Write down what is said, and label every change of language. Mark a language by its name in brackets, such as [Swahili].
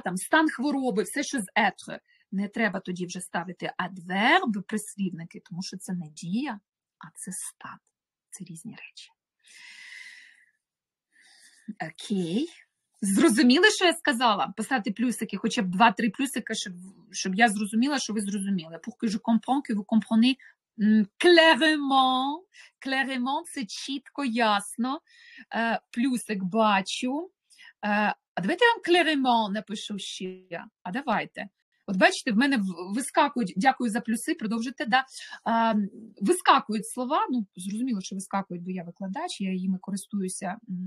[Ukrainian] Там, стан хвороби, все, що з être. Не треба тоді вже ставити адверб, прислівники, тому що це не дія, а це стан. Це різні речі. Окей. Зрозуміли, що я сказала? Поставте плюсики, хоча б 2-3 плюсики, щоб я зрозуміла, що ви зрозуміли. [French] Pour que je comprends, que vous comprenez clairement. [Ukrainian] Clairement – це чітко, ясно. Плюсик бачу. А давайте я вам clairement напишу ще. А давайте. От бачите, в мене вискакують, дякую за плюси, продовжуйте, да. Вискакують слова, ну, зрозуміло, що вискакують, бо я викладач, я їми користуюся.